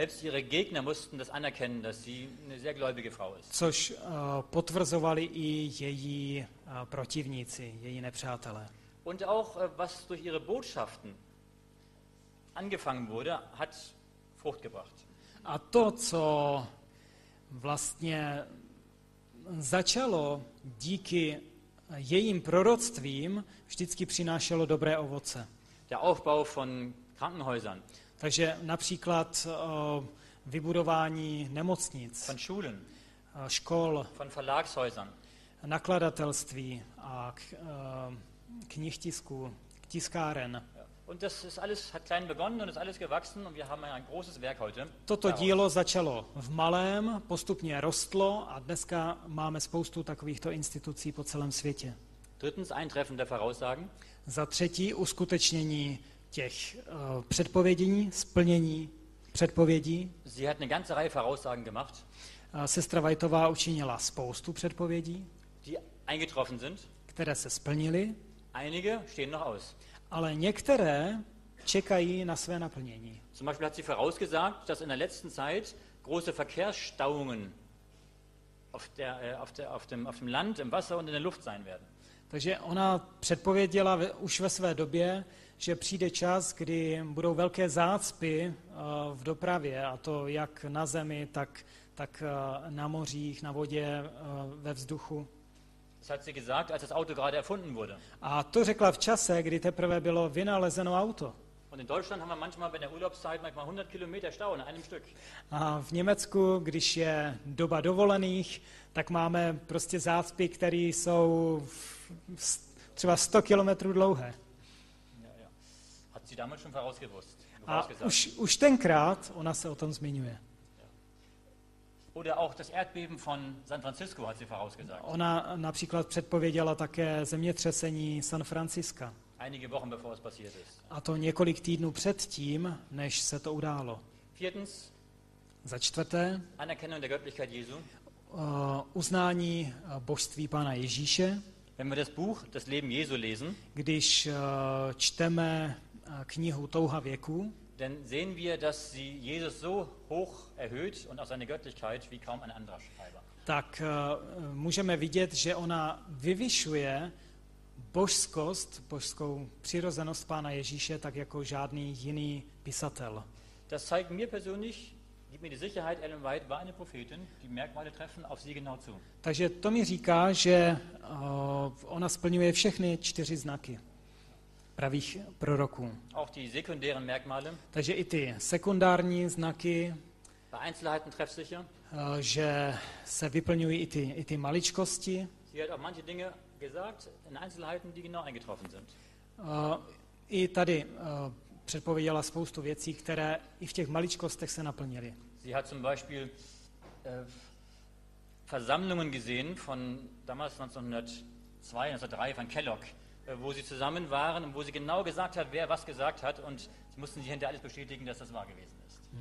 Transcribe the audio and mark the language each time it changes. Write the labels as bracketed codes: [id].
[de] Selbst ihre Gegner mussten das anerkennen, dass sie eine sehr gläubige Frau ist. [cs] Což potvrzovali i její protivníci, její nepřátelé. [de] Und auch was durch ihre Botschaften angefangen wurde, hat Frucht gebracht. [cs] A to, co vlastně začalo díky jejím proroctvím, vždycky přinášelo dobré ovoce. [de] Der Aufbau von Krankenhäusern. [cs] Takže například vybudování nemocnic, [de] von Schulen, [cs] škol, [de] von Verlagshäusern, [cs] nakladatelství a knihtisku, tiskáren. [de] Und das ist alles hat klein begonnen und ist alles gewachsen und wir haben ein großes Werk heute. [cs] Toto dílo začalo v malém, postupně rostlo a dneska máme spoustu takovýchto institucí po celém světě. [de] Drittens Eintreffen der Voraussagen. [cs] Za třetí uskutečnění těch předpovědění, splnění předpovědí. [de] Sie hat eine ganze Reihe Voraussagen gemacht. [cs] Sestra Whiteová učinila spoustu předpovědí, [de] die eingetroffen sind, [cs] které se splnily. [de] Einige stehen noch aus. [cs] Ale některé čekají na své naplnění. [de] Zum Beispiel hat sie vorausgesagt, dass in der letzten Zeit große Verkehrsstauungen auf dem Land, im Wasser und in der Luft sein werden. [cs] Takže ona předpověděla už ve své době, že přijde čas, kdy budou velké zácpy v dopravě, a to jak na zemi, tak na mořích, na vodě, ve vzduchu. [de] Das hat sie gesagt, als das Auto gerade erfunden wurde. [cs] A to řekla v čase, kdy teprve bylo vynalezeno auto. [de] Und in Deutschland haben wir manchmal bei der Urlaubszeit manchmal 100 Kilometer Stau in einem Stück. [cs] A v Německu, když je doba dovolených, tak máme prostě zácpy, které jsou třeba 100 kilometrů dlouhé. [de] Hat sie damals schon vorausgewusst? [cs] A už tenkrát ona se o tom zmiňuje. [de] Oder auch das Erdbeben von San Francisco hat sie vorausgesagt. [cs] Ona například předpověděla také zemětřesení San Franciska. [de] Einige Wochen bevor es passiert ist. [cs] A to několik týdnů před tím, než se to událo. [de] Viertens. [cs] Za čtvrté. [de] Anerkennung der Göttlichkeit Jesu. [cs] Uznání božství Pána Ježíše. [de] Wenn wir das Buch das Leben Jesu lesen, [cs] když čteme knihu Touha věku, [de] dann sehen wir, dass sie Jesus so hoch erhöht und auch seine Göttlichkeit wie kaum ein anderer Schreiber. [cs] Tak můžeme vidět, že ona vyvyšuje božskou přirozenost Pána Ježíše tak jako žádný jiný pisatel. [de] Das zeigt mir persönlich, gibt mir die Sicherheit, Ellen White war eine Prophetin, die Merkmale treffen auf sie genau zu. [cs] Takže to mi říká, že ona splňuje všechny čtyři znaky pravých proroků. [de] Auch die sekundären Merkmale. [cs] Takže i ty sekundární znaky. [de] Bei Einzelheiten trefft sicher. [cs] Že se vyplňují i ty maličkosti. [de] Sie hat auch manche Dinge gesagt in Einzelheiten, die genau eingetroffen sind. [cs] I tady předpověděla spoustu věcí, které i v těch maličkostech se naplnily. [de] Sie hat zum Beispiel Versammlungen gesehen von damals 1902, 1903 von Kellogg, wo sie zusammen waren und wo sie genau gesagt hat, wer was gesagt hat, und sie mussten sich hinterher alles bestätigen, dass das wahr gewesen ist.